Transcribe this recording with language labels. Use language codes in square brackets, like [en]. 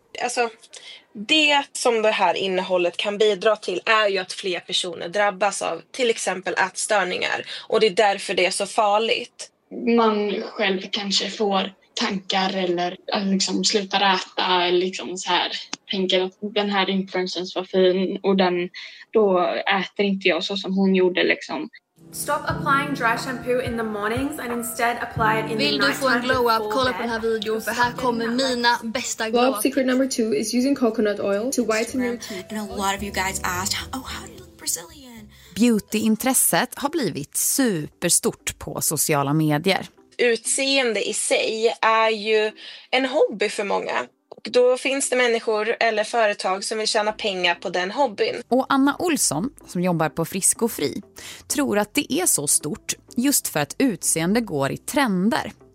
[sv] Alltså, det som det här innehållet kan bidra till är ju att fler personer drabbas av till exempel ätstörningar. Och det är därför det är så farligt. Man själv kanske får tankar eller liksom slutar äta eller liksom så här, tänker att den här influensen var fin och den då äter inte jag så som hon gjorde liksom. [en] Stop applying dry shampoo in the mornings and instead apply it in the night. [sv] Vill du få en glow up? Kolla på den här videon för här kommer mina bästa glow up. [en] Secret number two is using coconut oil to whiten your teeth. And a lot of you guys asked, oh how do you look Brazilian? [sv] Beauty-intresset har blivit superstort på sociala medier. Utseende i sig är ju en hobby för många. Och då finns det människor eller företag som vill tjäna pengar på den hobbyn. Och Anna Olsson, som jobbar på Frisk och Fri, tror att det är så stort just för att utseende går i trender.